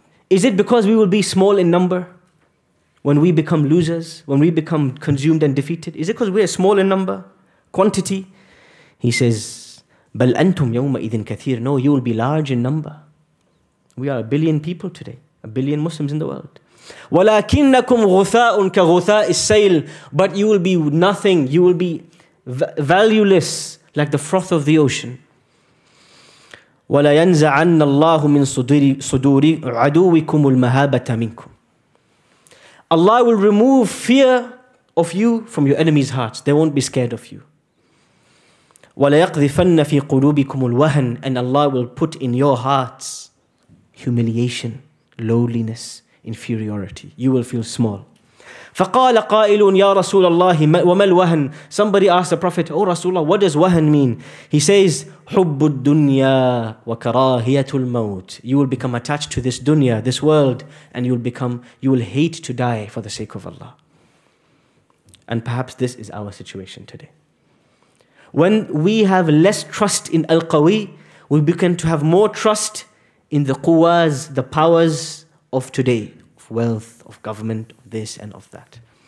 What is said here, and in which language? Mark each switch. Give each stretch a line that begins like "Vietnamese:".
English: Is it because we will be small in number when we become losers, when we become consumed and defeated? Is it because we are small in number, quantity? He says,
Arabic: بَلْ أَنْتُمْ يَوْمَئِذٍ كَثِيرٌ.
English: No, you will be large in number. We are 1 billion people today, 1 billion Muslims in the world.
Arabic: وَلَكِنَّكُمْ غُثَاءٌ كَغُثَاءِ السَّيْلِ.
English: But you will be nothing. You will be valueless like the froth of the ocean.
Arabic: وَلَا يَنْزَعَنَّ اللَّهُ مِنْ صُدُورِ عَدُوِّكُمُ الْمَهَابَةَ مِنْكُمْ.
English: Allah will remove fear of you from your enemy's hearts. They won't be scared of you.
Arabic: وَلَا يَقْذِفَنَّ فِي قُلُوبِكُمُ الْوَهَنِ.
English: And Allah will put in your hearts humiliation, lowliness, inferiority. You will feel small.
Arabic: فَقَالَ قَائِلٌ يَا رَسُولَ اللَّهِ وَمَا الْوَهَنِ.
English: Somebody asked the Prophet, oh Rasulullah, what does wahan mean? He says,
Arabic: حُبُّ الدُّنْيَا وَكَرَاهِيَةُ الْمَوْتِ.
English: You will become attached to this dunya, this world, and you will hate to die for the sake of Allah. And perhaps this is our situation today. When we have less trust in Al-Qawi, we begin to have more trust in the quwas, the powers of today, of wealth, of government, of this and of that.